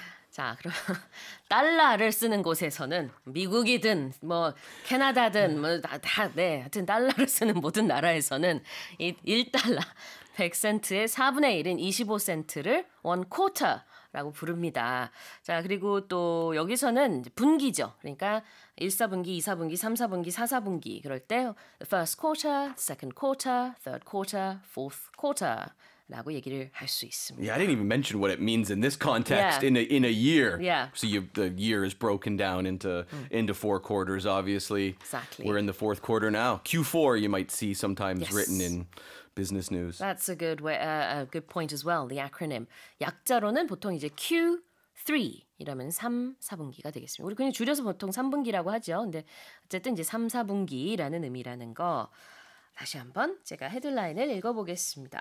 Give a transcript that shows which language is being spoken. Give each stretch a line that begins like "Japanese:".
Korean: 자, 그럼 달러를 쓰는 곳에서는 미국이든 뭐 캐나다든 뭐 다 네, 하여튼 달러를 쓰는 모든 나라에서는 이 1달러 100센트의 4분의 1인 25센트를 one quarter라고 부릅니다. 자, 그리고 또 여기서는 분기죠. 그러니까 1사분기, 2사분기, 3사분기, 4사분기 그럴 때
English: the first quarter, second quarter, third quarter, fourth quarter.
Korean: 라고 얘기를 할 수 있습니다.
English: Yeah, I didn't even mention what it means in this context in a year. Yeah. So the year is broken down into four quarters, obviously. Exactly. We're in the fourth quarter now. Q4, you might see sometimes yes. written in business news. That's a good way, a good point as well, the acronym.
Korean: 약자로는 보통 이제 Q3 이러면 3, 4분기가 되겠습니다. 우리 그냥 줄여서 보통 3분기라고 하죠. 근데 어쨌든 이제 3, 4분기라는 의미라는 거. 다시 한번 제가 헤드라인을 읽어보겠습니다.